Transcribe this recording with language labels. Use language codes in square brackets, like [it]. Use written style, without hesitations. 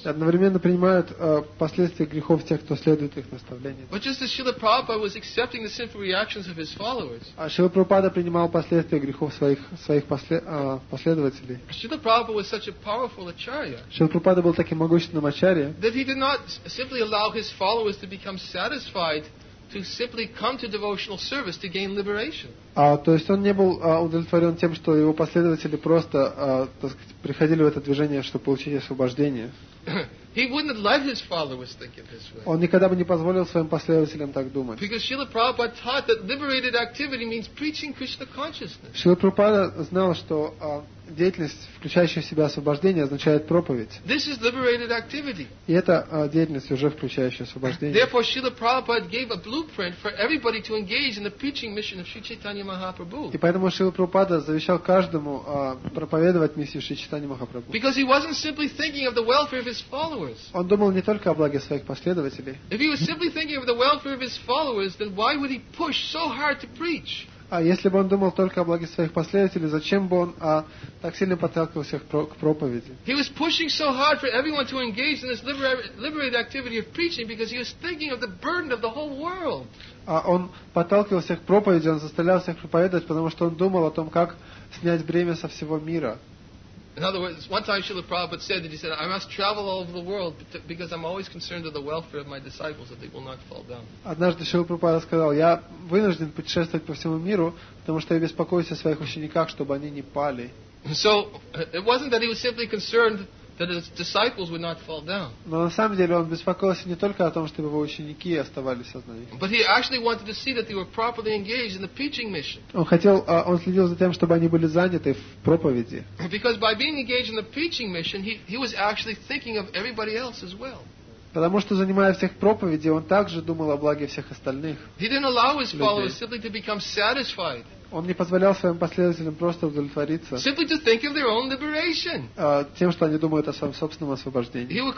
[ru] Одновременно принимают последствия грехов тех, кто следует их наставлениям. [en] But just as Srila Prabhupada was accepting the sinful reactions of his followers. [ru] А Шрила Прабхупада принимал последствия грехов своих последователей. [en] Srila Prabhupada was such a powerful acharya. [ru] Шрила Прабхупада был таким могущественным ачарья. [en] That he did not simply allow his followers to become satisfied to simply come to devotional service to gain liberation. [ru] То есть он не был удовлетворен тем, что его последователи просто, так сказать, приходили в это движение, чтобы получить освобождение. [en] He wouldn't let his followers think of this way. [ru] Он никогда бы не позволил своим последователям так думать. [en] Because Srila Prabhupada taught that liberated activity means preaching Krishna consciousness. [ru] Шрила Прабхупада знал, что деятельность, включающая в себя освобождение, означает проповедь. [en] This is liberated activity. [ru] И это деятельность, уже включающая освобождение. [en] Therefore, Srila Prabhupada gave a blueprint for everybody to engage in the preaching mission of Sri Chaitanya Mahaprabhu. [ru] И поэтому Шрила Прабхупада завещал каждому проповедовать миссию Шри Чайтанья Махапрабху. [en] Because he wasn't simply thinking of the welfare of his followers. [ru] Он думал не только о благе своих последователей. [en] If he was simply thinking of the welfare of his followers, then why would he push so hard to preach? [ru] А если бы он думал только о благе своих последователей, зачем бы он так сильно подталкивал всех к проповеди? [en] He was pushing so hard for everyone to engage in this liberated activity of preaching because he was thinking of the burden of the whole world. [ru] А он подталкивал всех к проповеди, он заставлял всех проповедовать, потому что он думал о том, как снять бремя со всего мира. [en] In other words, one time Srila Prabhupada said that he said, "I must travel all over the world because I'm always concerned of the welfare of my disciples that they will not fall down." [ru] Однажды Шрила Прабхупада сказал, "Я вынужден путешествовать по всему миру, потому что я беспокоюсь о своих учениках, чтобы они не пали." [en] So it wasn't that he was simply concerned that his disciples would not fall down. [ru] Но на самом деле он беспокоился не только о том, чтобы его ученики оставались сознательными. [en] But he actually wanted to see that they were properly engaged in the preaching mission. [ru] Он хотел, он следил за тем, чтобы они были заняты в проповеди. [en] Because by being engaged in the preaching mission, he was actually thinking of everybody else as well. [ru] Потому что, занимая всех проповеди, он также думал о благе всех остальных людей. Он не позволял своим последователям просто удовлетвориться тем, что они думают о своем собственном освобождении.